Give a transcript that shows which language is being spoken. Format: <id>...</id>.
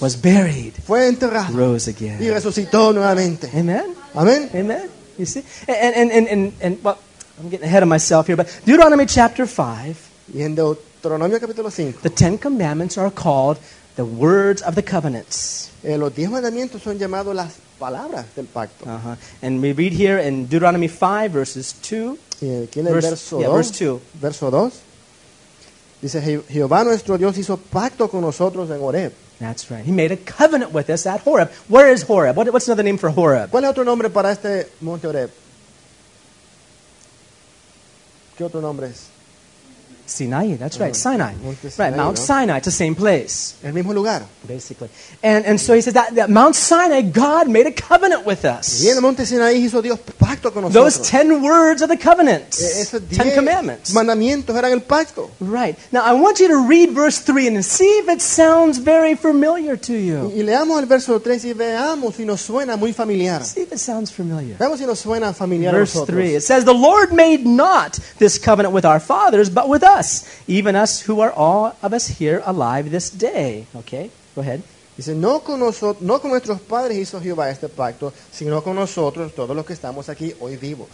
<en>Was buried.</en> <es>Fue enterrado.</es> <en>Rose again.</en> <es>Y resucitó nuevamente.</es> <en>Amen. Amen. Amen. You see? And well, I'm getting ahead of myself here, but Deuteronomy chapter 5.</en> <es>Y en Deuteronomio capítulo 5.</es> <en>The Ten Commandments are called the words of the covenants.</en> <es>Los diez mandamientos son llamados las palabras del pacto.</es> <en>Uh-huh. And we read here in Deuteronomy 5, verses</en> <es>2.</es> <en>Verse 2.</en> <es>Dice, Jehová nuestro Dios hizo pacto con nosotros en Horeb.</es> <en>That's right. He made a covenant with us at Horeb. Where is Horeb? What's another name for Horeb?</en> <es>¿Cuál es otro nombre para este monte Horeb? ¿Qué otro nombre es?</es> <en>Sinai, that's right, Sinai. Right, Mount Sinai, it's the same place.</en> <es>El mismo lugar.</es> <en>Basically. And so he says that Mount Sinai, God made a covenant with us.</en> <es>Y en el monte Sinai hizo Dios pacto con nosotros.</es> <en>Those 10 words of the covenant.</en> <es>Esos</es> <en>10 commandments.</en> <es>Mandamientos eran el pacto.</es> <en>Right. Now I want you to read verse 3 and see if it sounds very familiar to you.</en> <es>Y leamos el verso 3 y veamos si nos suena muy familiar.</es> <en>See if it sounds familiar.</en> <es>Veamos si nos suena familiar.</es> <en>Verse 3, it says, the Lord made not this covenant with our fathers, but with us, even us who are all of us here alive this day. Okay, go ahead.</en> <es>Dice, no con nuestros padres hizo Jehová este pacto, sino con nosotros, todos los que estamos aquí hoy vivos.</es>